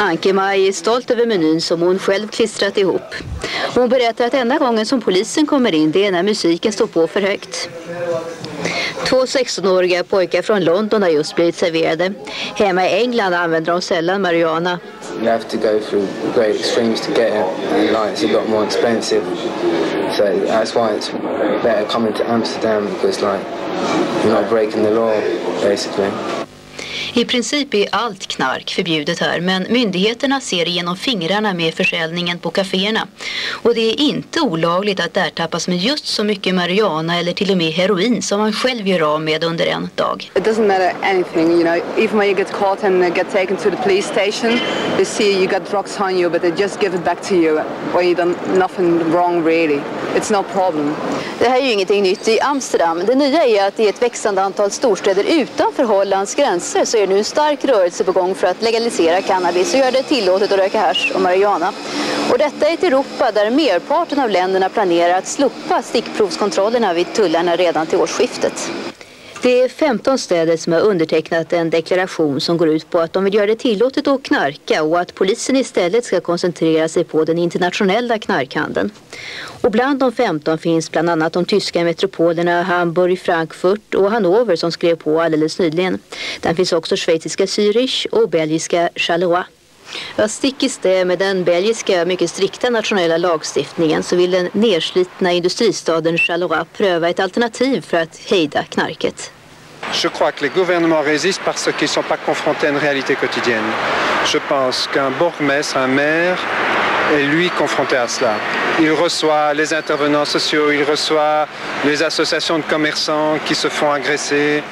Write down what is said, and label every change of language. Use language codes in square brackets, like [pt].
[sv] Ankema är stolt över menyn som hon själv klistrat ihop. Hon berättar att enda gången som polisen kommer in det är när musiken står på för högt. Två 16-åriga pojkar från London har just blivit serverade. Hemma i England använder de sällan marijuana. [en] You have to go through great extremes to get it. And like, it's a lot more expensive. So that's why it's better coming to Amsterdam, because like, you're not breaking the law, basically. [sv] I princip är allt knark förbjudet här, men myndigheterna ser igenom fingrarna med försäljningen på kaféerna. Och det är inte olagligt att ertappas med just så mycket marijuana eller till och med heroin som man själv gör av med under en dag. [en] It doesn't matter anything, you know, even when you get caught and get taken to the police station, they see you got drugs on you, but they just give it back to you when you done nothing wrong really. It's no problem. [sv] Det här är ju ingenting nytt i Amsterdam. Det nya är att det är ett växande antal storstäder utanför Hollands gränser så är nu en stark rörelse på gång för att legalisera cannabis och göra det tillåtet att röka hasch och marijuana. Och detta är ett Europa där merparten av länderna planerar att slopa stickprovskontrollerna vid tullarna redan till årsskiftet. Det är 15 städer som har undertecknat en deklaration som går ut på att de vill göra det tillåtet att knarka och att polisen istället ska koncentrera sig på den internationella knarkhandeln. Och bland de 15 finns bland annat de tyska metropolerna Hamburg, Frankfurt och Hannover som skrev på alldeles nyligen. Där finns också schweiziska Zürich och belgiska Charleroi. Ja, stick i stäv med den belgiska, mycket strikta nationella lagstiftningen så vill den nedslitna industristaden Charleroi pröva ett alternativ för att hejda knarket. [fr] Je crois que les gouvernements résistent parce qu'ils ne sont pas confrontés à une réalité quotidienne. Je pense qu'un bourgmestre, un maire, est lui confronté à cela. Il reçoit les intervenants sociaux, il reçoit les associations de commerçants qui se font agresser.